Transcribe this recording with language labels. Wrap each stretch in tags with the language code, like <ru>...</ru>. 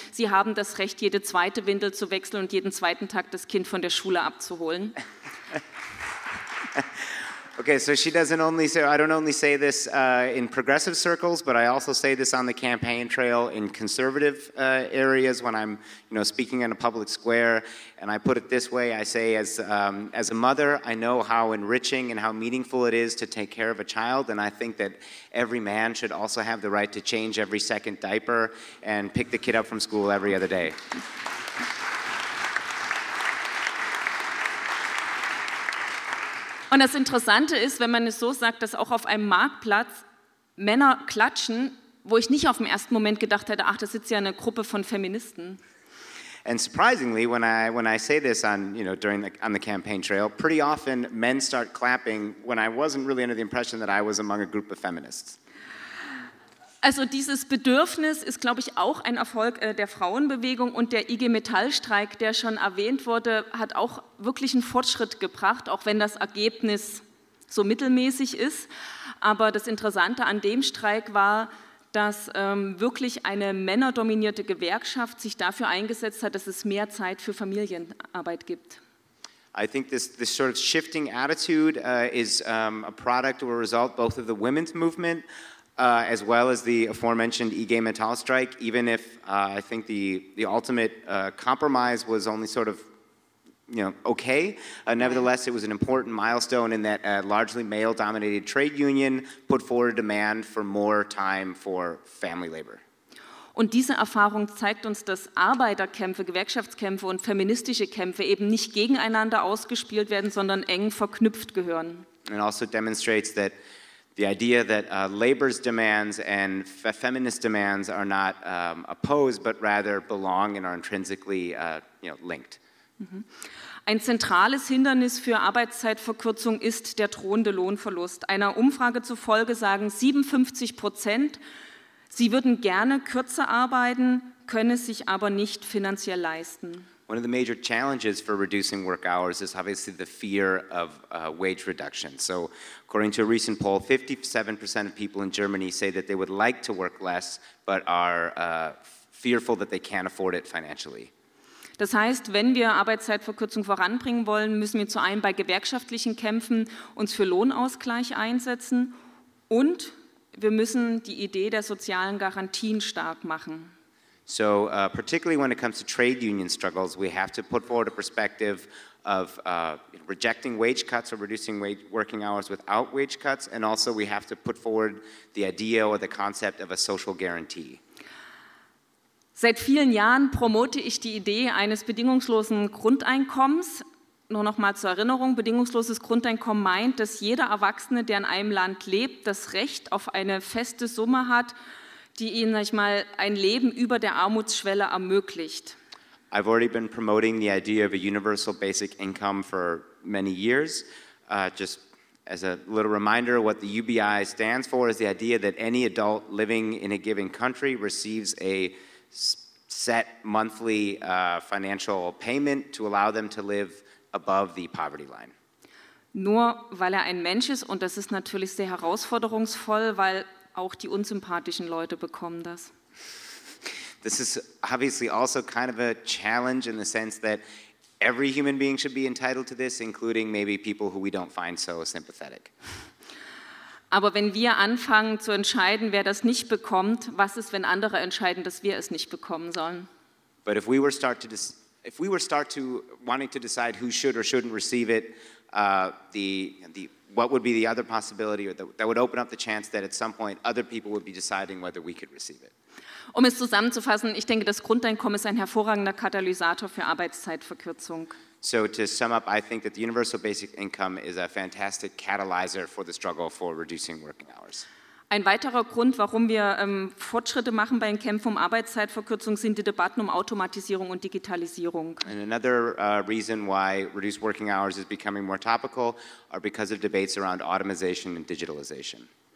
<de>Sie haben das Recht, jede zweite Windel zu wechseln und jeden zweiten Tag das Kind von der Schule abzuholen.</de> <en>Okay, so she doesn't only say, I don't only say this in progressive circles, but I also say this on the campaign trail in conservative areas when I'm, speaking in a public square. And I put it this way, I say, as a mother, I know how enriching and how meaningful it is to take care of a child. And I think that every man should also have the right to change every second diaper and pick the kid up from school every other day.</en> <de>Und das Interessante ist, wenn man es so sagt, dass auch auf einem Marktplatz Männer klatschen, wo ich nicht auf dem ersten Moment gedacht hätte, ach, da sitzt ja eine Gruppe von Feministen.</de> <en>And surprisingly, when I say this on the campaign trail, pretty often men start clapping when I wasn't really under the impression that I was among a group of feminists.</en> <de>Also dieses Bedürfnis ist, glaube ich, auch ein Erfolg der Frauenbewegung und der IG Metall-Streik, der schon erwähnt wurde, hat auch wirklich einen Fortschritt gebracht, auch wenn das Ergebnis so mittelmäßig ist. Aber das Interessante an dem Streik war, dass wirklich eine männerdominierte Gewerkschaft sich dafür eingesetzt hat, dass es mehr Zeit für Familienarbeit gibt.</de> <en>I think this sort of shifting attitude is a product or a result both of the women's movement as well as the aforementioned e-game and towel strike, even if I think the ultimate compromise was only sort of, you know, okay. Nevertheless, it was an important milestone in that a largely male-dominated trade union put forward a demand for more time for family labor.</en> <de>Und diese Erfahrung zeigt uns, dass Arbeiterkämpfe, Gewerkschaftskämpfe und feministische Kämpfe eben nicht gegeneinander ausgespielt werden, sondern eng verknüpft gehören.</de> <en>It also demonstrates that the idea that labor's demands and feminist demands are not opposed, but rather belong and are intrinsically linked.</en> <de>Ein zentrales Hindernis für Arbeitszeitverkürzung ist der drohende Lohnverlust. Einer Umfrage zufolge sagen 57%, sie würden gerne kürzer arbeiten, können es sich aber nicht finanziell leisten.</de> <en>One of the major challenges for reducing work hours is obviously the fear of wage reduction. So according to a recent poll, 57% of people in Germany say that they would like to work less, but are fearful that they can't afford it financially.</en> <de>Das heißt, wenn wir Arbeitszeitverkürzung voranbringen wollen, müssen wir zu einem bei gewerkschaftlichen Kämpfen uns für Lohnausgleich einsetzen und wir müssen die Idee der sozialen Garantien stark machen.</de> <en>So, particularly when it comes to trade union struggles, we have to put forward a perspective of rejecting wage cuts or reducing working hours without wage cuts, and also we have to put forward the idea or the concept of a social guarantee.</en> <de>Seit vielen Jahren promote ich die Idee eines bedingungslosen Grundeinkommens. Nur noch mal zur Erinnerung, bedingungsloses Grundeinkommen meint, dass jeder Erwachsene, der in einem Land lebt, das Recht auf eine feste Summe hat, die ihm, sag ich mal, ein Leben über der Armutsschwelle ermöglicht.</de> <en>I've already been promoting the idea of a universal basic income for many years. Just as a little reminder, what the UBI stands for is the idea that any adult living in a given country receives a set monthly financial payment to allow them to live above the poverty line.</en> <de>Nur weil ein Mensch ist, und das ist natürlich sehr herausforderungsvoll, weil auch die unsympathischen Leute bekommen das.</de> <en>This is obviously also kind of a challenge in the sense that every human being should be entitled to this, including maybe people who we don't find so sympathetic.</en> <de>Aber wenn wir anfangen zu entscheiden, wer das nicht bekommt, was ist, wenn andere entscheiden, dass wir es nicht bekommen sollen?</de> <en>But if we were start to wanting to decide who should or shouldn't receive it, the what would be the other possibility, or that would open up the chance that at some point other people would be deciding whether we could receive it.</en> <de>Um es zusammenzufassen, ich denke, das Grundeinkommen ist ein hervorragender Katalysator für Arbeitszeitverkürzung.</de> <en>So to sum up, I think that the universal basic income is a fantastic catalyzer for the struggle for reducing working hours.</en> <de>Ein weiterer Grund, warum wir Fortschritte machen bei den Kämpfen um Arbeitszeitverkürzung, sind die Debatten um Automatisierung und Digitalisierung.</de> <en>And another reason why reduced working hours is becoming more topical are because of debates around automation and digitalization.</en>